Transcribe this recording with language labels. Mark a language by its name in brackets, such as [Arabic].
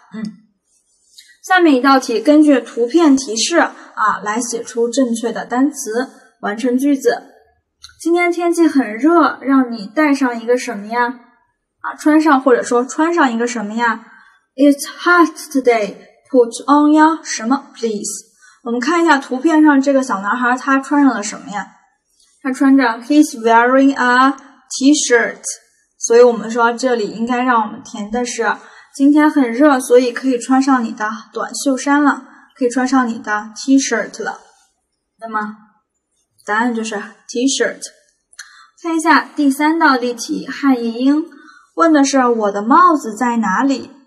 [Chinese] 嗯，下面一道题根据图片提示啊来写出正确的单词，完成句子。今天天气很热，让你带上一个什么呀？啊，穿上或者说穿上一个什么呀？ [English] It's hot today. Put on your [Chinese] 什么 [English] please. [Chinese] 我们看一下图片上这个小男孩他穿上了什么呀？他穿着 [English] He's wearing a t-shirt. [Chinese] 所以我们说这里应该让我们填的是今天很热，所以可以穿上你的短袖衫了，可以穿上你的 T-shirt 了。那么答案就是 T-shirt。看一下第三道例题，汉译英问的是我的帽子在哪里。